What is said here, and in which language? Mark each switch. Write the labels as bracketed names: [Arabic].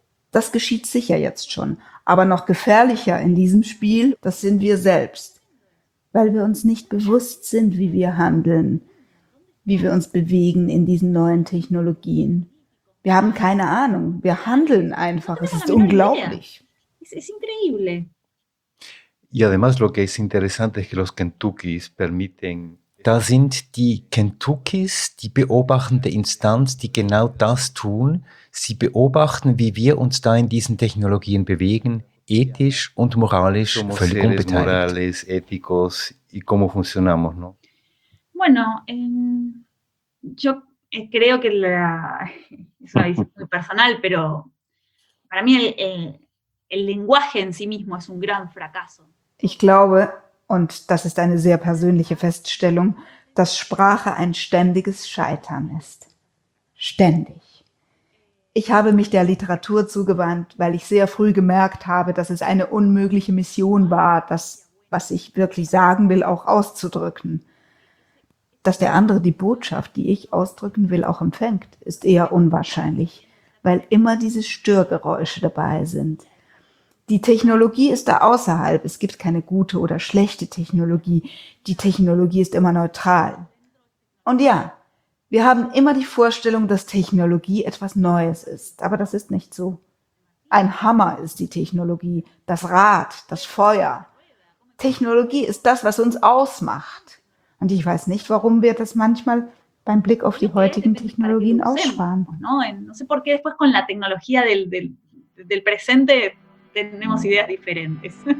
[German] Das geschieht sicher jetzt schon, aber noch gefährlicher in diesem Spiel, das sind wir selbst, weil wir uns nicht bewusst sind, wie wir handeln, wie wir uns bewegen in diesen neuen Technologien. Wir haben keine Ahnung, wir handeln einfach, es ist unglaublich. Es ist [Spanish] increíble. Y además lo que es interesante es que los Kentuckys permiten... [German] Da sind die Kentuckys die beobachtende Instanz, die genau das tun. Sie beobachten, wie wir uns da in diesen Technologien bewegen, ethisch und moralisch [Spanish] somos [German] völlig [Spanish] seres [German] unbeteiligt. [Spanish] Morales, éticos y cómo funcionamos, ¿no? Bueno, yo creo que la... Es una visión muy personal, pero para mí el lenguaje en sí mismo es un gran fracaso. [German] Ich glaube, und das ist eine sehr persönliche Feststellung, dass Sprache ein ständiges Scheitern ist. Ständig. Ich habe mich der Literatur zugewandt, weil ich sehr früh gemerkt habe, dass es eine unmögliche Mission war, das, was ich wirklich sagen will, auch auszudrücken. Dass der andere die Botschaft, die ich ausdrücken will, auch empfängt, ist eher unwahrscheinlich, weil immer diese Störgeräusche dabei sind. Die Technologie ist da außerhalb. Es gibt keine gute oder schlechte Technologie. Die Technologie ist immer neutral. Und ja, wir haben immer die Vorstellung, dass Technologie etwas Neues ist. Aber das ist nicht so. Ein Hammer ist die Technologie, das Rad, das Feuer. Technologie ist das, was uns ausmacht. Und ich weiß nicht, warum wir das manchmal beim Blick auf die heutigen Technologien aussparen. [Spanish] No, no sé por qué después con la tecnología del presente tenemos ideas diferentes.